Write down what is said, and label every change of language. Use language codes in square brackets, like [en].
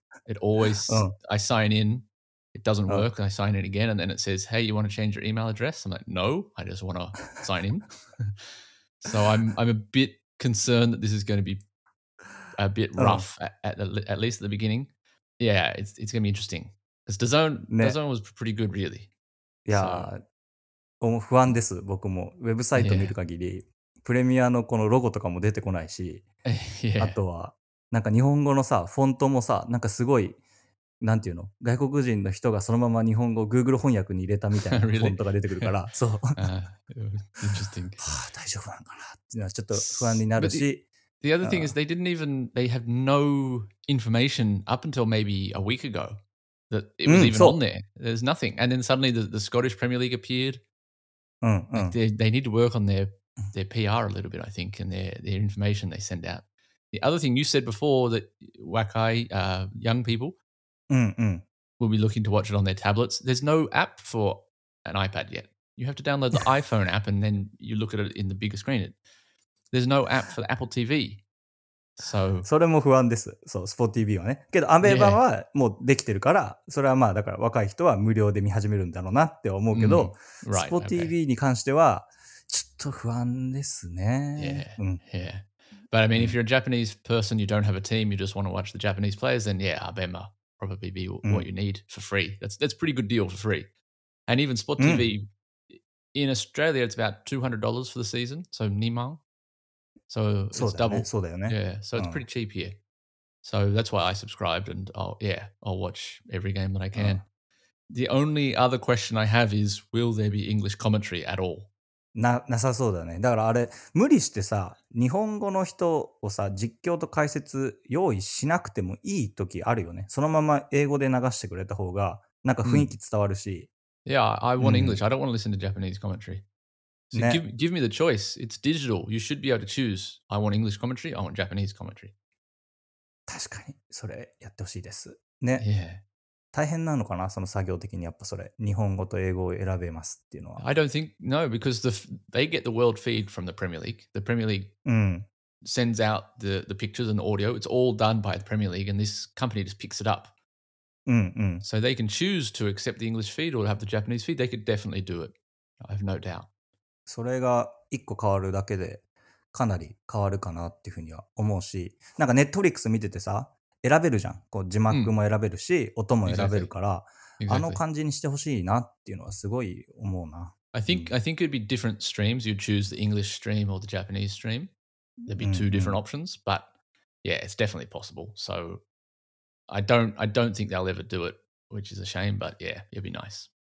[en] It always, I sign in, it doesn't work, I sign in again, and then it says, hey, you want to change your email address? I'm like, no, I just want to sign in. So I'm a bit concerned that this is going to be a bit rough, at least at the beginning. Yeah, it's going to be interesting. Because DAZN, DAZN was pretty good, really. Yeah, I'm [ja] 不安です、僕も。ウェブサイト見る限り、プレミアのこのロゴとかも出てこないし、あとは、なんか日本語のさ、フォントもさ、なんかすごい、なんていうの、外国人の人がそのまま日本語を Google 翻訳に入れたみたいなフォントが出てくるから、そう。 [en] Interesting. [ja] 大丈夫なんかなっていうのはちょっと不安になるし。 [en] The other thing is they didn't even, they had no information up until maybe a week ago that it was even on there. There's nothing. And then suddenly the Scottish Premier League appeared. They need to work on their PR a little bit, I think, and their information they send out. The other thing you said before that Wakai, young people will be looking to watch it on their tablets. There's no app for an iPad yet. You have to download the iPhone app and then you look at it in the bigger screen. There's no app for the Apple TV. So, [ja] それも不安です。そう、Spot TV はね。けど、アベーバはもうできてるから、yeah. それはまあ、だから若い人は無料で見始めるんだろうなって思うけど、Spot TV に関しては、ちょっと不安ですね。 Yeah. うん、yeah. [en] But I mean, if you're a Japanese person, you don't have a team, you just want to watch the Japanese players, then yeah, Abema probably be what you need for free. That's pretty good deal for free. And even Spot TV, in Australia, it's about $200 for the season, so 2万. So it's double. [ja] そうだよね。 [en] Yeah, so it's pretty cheap here. So that's why I subscribed and I'll watch every game that I can. The only other question I have is, will there be English commentary at all? [ja] なさそうだね。だからあれ、無理してさ、日本語の人をさ、実況と解説用意しなくてもいい時あるよね。そのまま英語で流してくれた方が、なんか雰囲気伝わるし。 [en] Yeah, I want English. I don't want to listen to Japanese commentary. So、ね、give me the choice. It's digital. You should be able to choose. I want English commentary. I want Japanese commentary. [ja] 確かにそれやってほしいですね。 Yeah. 大変なのかな、その作業的に。やっぱそれ日本語と英語を選べますっていうのは。 [en] I don't think no because they get the world feed from the Premier League. The Premier League sends out the pictures and the audio. It's all done by the Premier League, and this company just picks it up. So they can choose to accept the English feed or have the Japanese feed. They could definitely do it. I have no doubt. [ja] それが一個変わるだけでかなり変わるかなっていうふうには思うし、なんかネットフリックス見ててさ、選べるじゃん。こう字幕も選べるし、音も選べるから、あの感じにしてほしいなっていうのはすごい思うな。 [en] I think it'd be different streams. You'd choose the English stream or the Japanese stream. There'd be two different options, but yeah, it's definitely possible. So I don't think they'll ever do it, which is a shame, but yeah, it'd be nice.